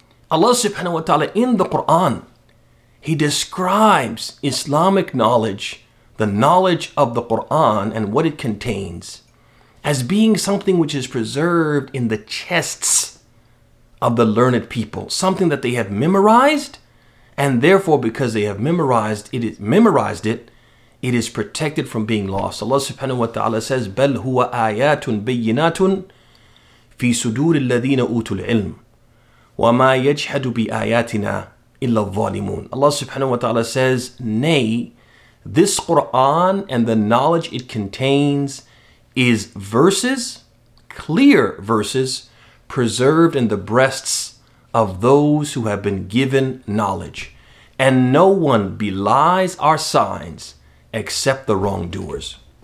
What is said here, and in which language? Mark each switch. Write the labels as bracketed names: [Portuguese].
[English] Allah subhanahu wa ta'ala in the Quran, he describes Islamic knowledge, the knowledge of the Quran and what it contains, as being something which is preserved in the chests of the learned people, something that they have memorized, and therefore because they have memorized it, it is protected from being lost. Allah subhanahu wa ta'ala says, [Arabic] بَلْ هُوَ آيَاتٌ بَيِّنَاتٌ فِي سُدُورِ الَّذِينَ أُوتُوا الْعِلْمِ وَمَا يَجْحَدُ بِآيَاتِنَا إِلَّا الظَّالِمُونَ. [English] Allah subhanahu wa ta'ala says, nay, this Quran and the knowledge it contains is verses, clear verses, preserved in the breasts of those who have been given knowledge. And no one belies our signs except the wrongdoers.